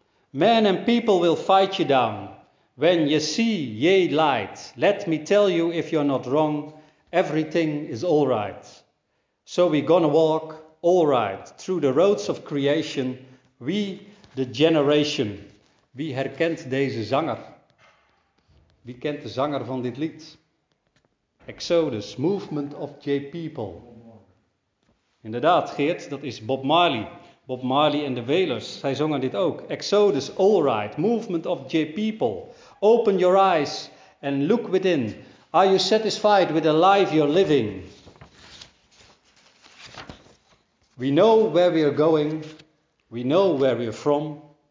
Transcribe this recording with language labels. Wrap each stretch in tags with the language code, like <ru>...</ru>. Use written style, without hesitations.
<en>Men and people will fight you down. When ye see ye light, let me tell you if you're not wrong, everything is all right. So we gonna walk, all right, through the roads of creation, we the generation.</en> <nl>Wie herkent deze zanger? Wie kent de zanger van dit lied?</nl> <en>Exodus, movement of ye people.</en> <nl>Inderdaad, Geert, dat is Bob Marley. Bob Marley en de Wailers, zij zongen dit ook.</nl> <en>Exodus, all right, movement of ye people. Open your eyes and look within. Are you satisfied with the life you're living? We know where we are going. We know where we are from.</en>